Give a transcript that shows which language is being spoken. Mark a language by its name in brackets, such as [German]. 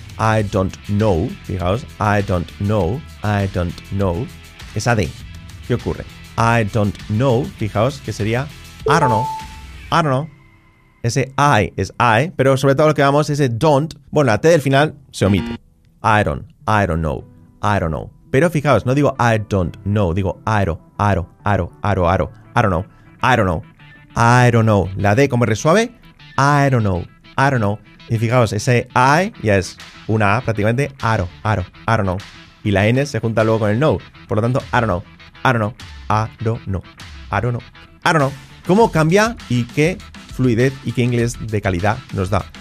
[English] I don't know. Fijaos. I don't know. I don't know. Esa D. ¿Qué ocurre? I don't know. Fijaos que sería I don't know. I don't know. [Spanish] Ese I es I. Pero sobre todo lo que vamos, ese don't. Bueno, la T del final se omite. I don't know. I don't know. [English] Pero fijaos, no digo I don't know. Digo I don't, I don't, I don't, I don't, I don't, I don't know. I don't know. I don't know. La D como R suave. I don't know. I don't know. Y fijaos, ese I ya es una A prácticamente. I don't, I don't, I don't know. [Spanish] Y la N se junta luego con el no. [English] Por lo tanto, I don't know. I don't know. I don't know. I don't know. I don't know. [Spanish] ¿Cómo cambia y qué fluidez y qué inglés de calidad nos da?